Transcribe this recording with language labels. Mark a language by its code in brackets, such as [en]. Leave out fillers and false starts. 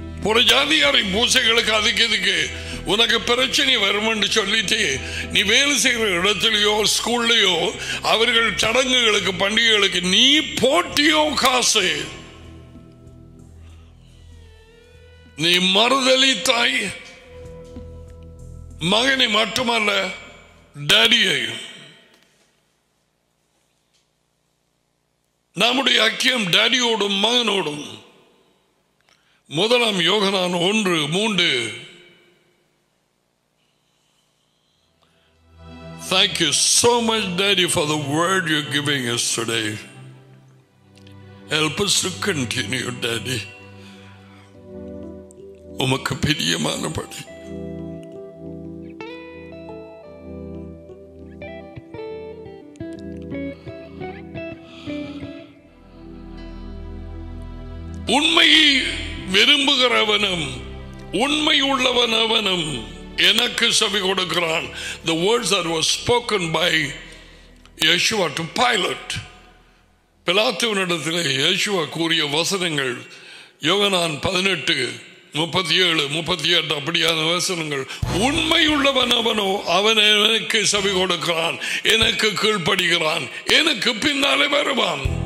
[ta] ஒரு ஜாதியாரின் பூசைகளுக்கு அதுக்கு உனக்கு பிரச்சனை வரும் என்று சொல்லிட்டு நீ வேலை செய்கிற இடத்துலயோ ஸ்கூல்லையோ அவர்கள் சடங்குகளுக்கு பண்டிகைகளுக்கு நீ போட்டியோ காசு, நீ மறுதளித்தாய் மகனை மட்டுமல்ல டாடியையும். நம்முடைய ஐக்கியம் டாடியோடும் மகனோடும். [en] முதலாம் யோகனான் 1:3, Thank you so much, Daddy, for the word you're giving us today. Help us to continue, Daddy. [ta] உமக்கு பிரியமானபடி உண்மையை விரும்புகிறவனும் உண்மை உள்ளவனவனும் எனக்கு செவி கொடுக்கிறான். [en] The words that were spoken by Yeshua to Pilate. [ta] பிலாத்துவினிடத்தில் Yeshua கூறிய வசனங்கள் யோகனான் 18:37-38 அப்படியான வசனங்கள். உண்மை உள்ளவனவனோ அவன் எனக்கு செவி கொடுக்கிறான், எனக்கு கீழ்ப்படுகிறான், எனக்கு பின்னாலே வருவான்.